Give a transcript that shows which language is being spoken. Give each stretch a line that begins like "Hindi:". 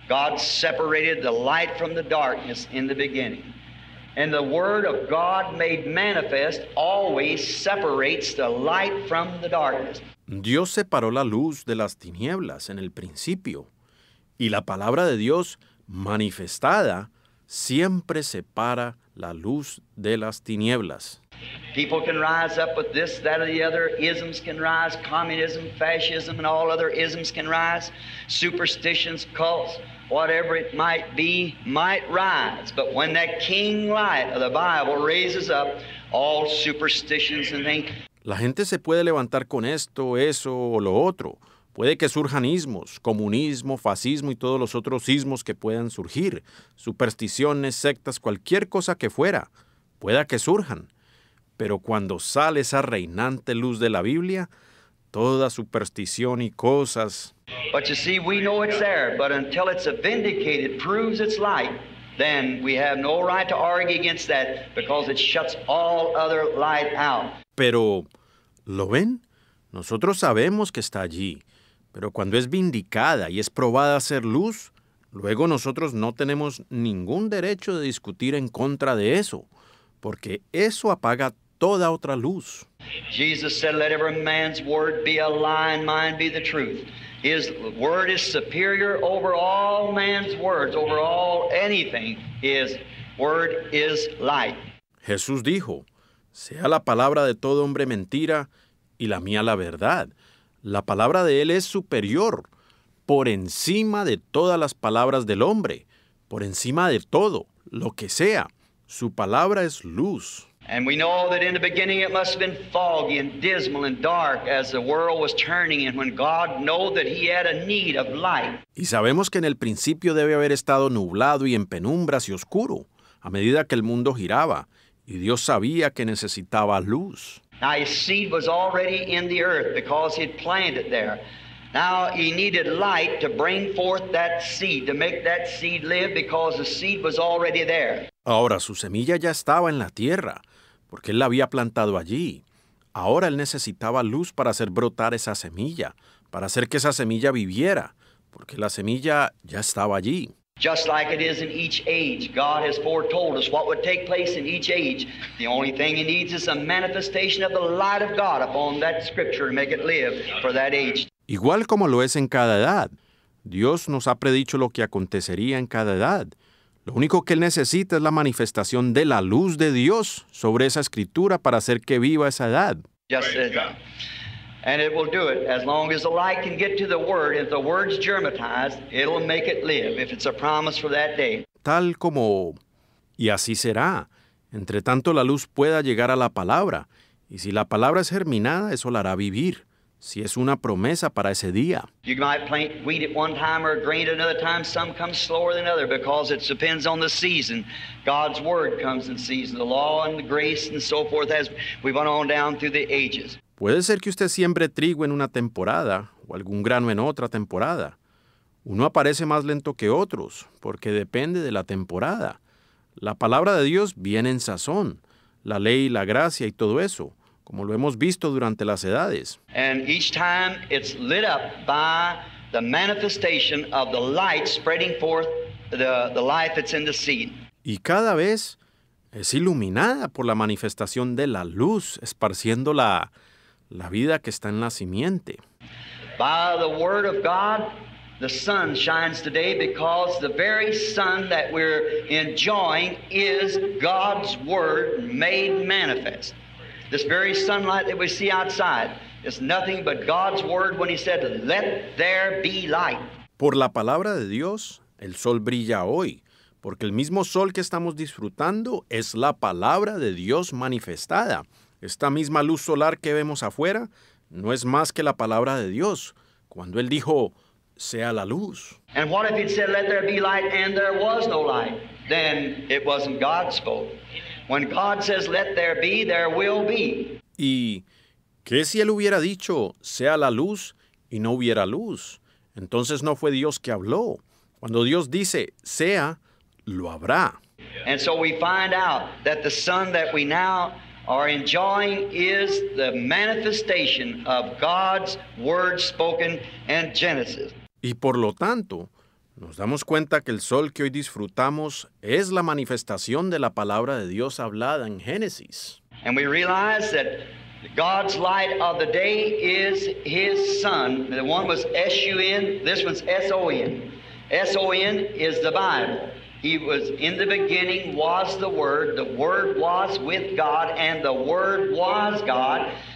English: God separated the light from the darkness in the beginning. And the word of God made manifest always separates the light from the darkness.
Spanish: Dios separó la luz de las tinieblas en el principio. Y la palabra de Dios manifestada siempre separa la luz de las tinieblas.
English: People can rise up with this, that, or the other. Isms can rise. Communism, fascism, and all other isms can rise. Superstitions, cults, whatever it might be, might rise. But when that king light of the Bible raises up, all superstitions and things.
Spanish: La gente se puede levantar con esto, eso, o lo otro. Puede que surjan ismos, comunismo, fascismo y todos los otros ismos que puedan surgir, supersticiones, sectas, cualquier cosa que fuera, pueda que surjan. Pero cuando sale esa reinante luz de la Biblia, toda superstición y cosas...
English: But you see, we know it's there, but until it's vindicated, proves its light, then we have no right to argue against that, because it shuts all other light out.
Spanish: Pero, ¿lo ven? Nosotros sabemos que está allí. Pero cuando es vindicada y es probada a ser luz, luego nosotros no tenemos ningún derecho de discutir en contra de eso, porque eso apaga toda otra luz.
English: Jesus said, "Let every man's word be a lie and mine be the truth." His word is superior over all man's words, over all anything. His word is light.
Spanish: Jesús dijo, "Sea la palabra de todo hombre mentira y la mía la verdad." La palabra de Él es superior, por encima de todas las palabras del hombre, por encima de todo, lo que sea. Su palabra es luz.
English: And we know that in the beginning it must have been foggy and dismal and dark as the world was turning and when God knew that He had a need of light.
Spanish: Y sabemos que en el principio debe haber estado nublado y en penumbras y oscuro, a medida que el mundo giraba, y Dios sabía que necesitaba luz.
English: Now his seed was already in the earth because he had planted it there. Now he needed light to bring forth that seed, to make that seed live because the seed was already there.
Spanish: Ahora su semilla ya estaba en la tierra porque él la había plantado allí. Ahora él necesitaba luz para hacer brotar esa semilla, para hacer que esa semilla viviera, porque la semilla ya estaba allí.
English: Just like it is in each age, God has foretold us what would take place in each age. The only thing He needs is a manifestation of the light of God upon that scripture to make it live for that age.
Spanish: Igual como lo es en cada edad, Dios nos ha predicho lo que acontecería en cada edad. Lo único que Él necesita es la manifestación de la luz de Dios sobre esa escritura para hacer que viva esa edad.
English: Just as that. And it will do it as long as the light can get to the word. If the word's germatized, it'll make it live if it's a promise for that day.
Spanish: Tal como, y así será. Entre tanto la luz pueda llegar a la palabra. Y si la palabra es germinada, eso la hará vivir. Si es una promesa para ese día.
English: You might plant wheat at one time or grain at another time. Some come slower than other because it depends on the season. God's word comes in season. The law and the grace and so forth as we went on down through the ages.
Spanish: Puede ser que usted siembre trigo en una temporada o algún grano en otra temporada. Uno aparece más lento que otros porque depende de la temporada. La palabra de Dios viene en sazón, la ley, la gracia y todo eso, como lo hemos visto durante las edades.
English: And each time it's lit up by the manifestation of the light spreading forth the life that's in the seed.
Spanish: Y cada vez es iluminada por la manifestación de la luz esparciendo la vida que está en la simiente.
English: By the word of God, the sun shines today because the very sun that we're enjoying is God's word made manifest. This very sunlight that we see outside is nothing but God's word when He said, "Let there be light."
Spanish: Por la palabra de Dios, el sol brilla hoy, porque el mismo sol que estamos disfrutando es la palabra de Dios manifestada. Esta misma luz solar que vemos afuera no es más que la palabra de Dios. Cuando Él dijo, sea la luz.
English: And what if He said, let there be light, and there was no light? Then it wasn't God spoke. When God says, let there be, there will be.
Spanish: ¿Y qué si Él hubiera dicho, sea la luz, y no hubiera luz? Entonces no fue Dios que habló. Cuando Dios dice, sea, lo habrá.
English: And so we find out that the sun that we now are enjoying is the manifestation of God's word spoken in Genesis.
Spanish: Y por lo tanto, nos damos cuenta que el sol que hoy disfrutamos es la manifestación de la palabra de Dios hablada en Génesis.
English: And we realize that God's light of the day is His Son. The one was S-U-N, this one's S-O-N. S-O-N is the Bible. He was in the beginning, was the Word was with God, and the Word was God.